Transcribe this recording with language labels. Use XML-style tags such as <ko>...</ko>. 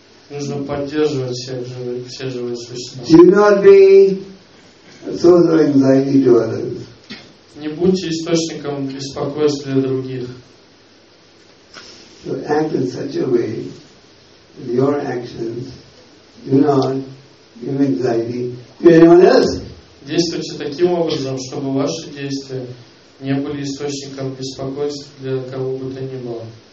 <ru>Нужно поддерживать всех живых, все живые существа. Не будьте источником беспокойств для других.</ru> <en>So act in such a way that your actions do not</en> <ru>Действуйте таким образом, чтобы ваши действия не были источником беспокойств для кого бы то ни было.</ru>